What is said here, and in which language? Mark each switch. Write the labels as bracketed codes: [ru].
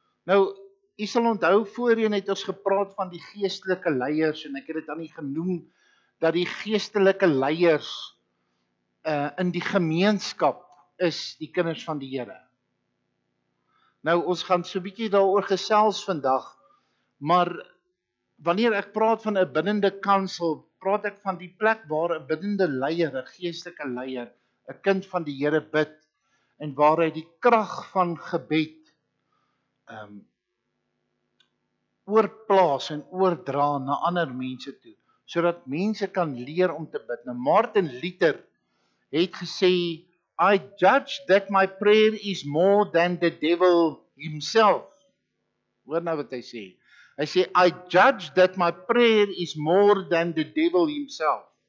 [af] Nou, jy sal onthou, voorheen het ons gepraat van die geestelike leiers, en ek het dit dan nie genoem, dat die geestelike leiers in die gemeenskap is die kinders van die Here. Nou, ons gaan so bietjie daaroor gesels vandag, maar wanneer ek praat van een bindende kansel, praat ek van die plek waar een bindende leier, een geestelike leier, een kind van die Here bid, en waar hy die kracht van gebed oorplaas en oordra na ander mense toe, zodat mense kan leer om te bid. Nou, Martin Luther het gesê, [en] I judge that my prayer is more than the devil himself. [af] Hoor nou wat hy sê. Hy sê, [en] I judge that my prayer is more than the devil himself.